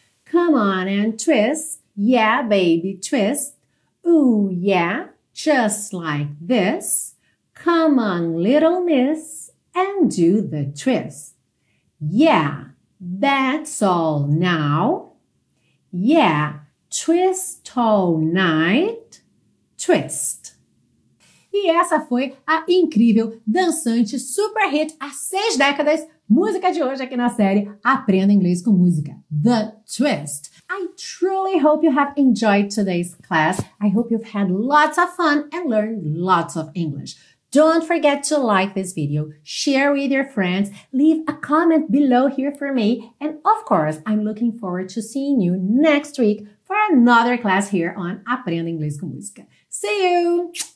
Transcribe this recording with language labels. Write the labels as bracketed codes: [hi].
[en] Come on and twist, yeah baby, twist, ooh yeah, just like this. Come on little miss and do the twist. Yeah, that's all now. Yeah, twist all night, twist. [pt] E essa foi a incrível, dançante, super hit há 6 décadas, música de hoje aqui na série Aprenda Inglês com Música, The Twist. [en] I truly hope you have enjoyed today's class. I hope you've had lots of fun and learned lots of English. Don't forget to like this video, share with your friends, leave a comment below here for me. And of course, I'm looking forward to seeing you next week for another class here on Aprenda Inglês com Música. See you!